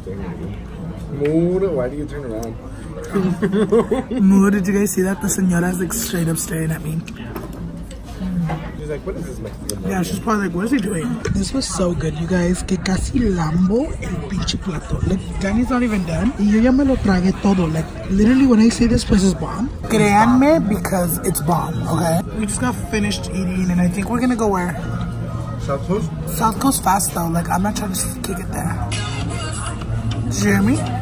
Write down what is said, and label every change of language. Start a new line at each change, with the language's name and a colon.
English: Delicious. Mood, it's straight up like staring at you. Mood, why do you turn around? Mood, did you guys see that? The señora is like straight up staring at me. She's like, what is this Mexican? Yeah, she's probably like, what is he doing? This was so good, you guys.
Spanish: Que casi lambo el pinche plato.
English: Like, Danny's not even done.
Spanish: Y yo ya me lo tragué todo.
English: Like, literally, when I say this place is bomb.
Spanish: Créanme,
English: because it's bomb, okay? We just got finished eating, and I think we're gonna go where? South Coast? South Coast fast though, like I'm not trying to kick it there. Did you hear me?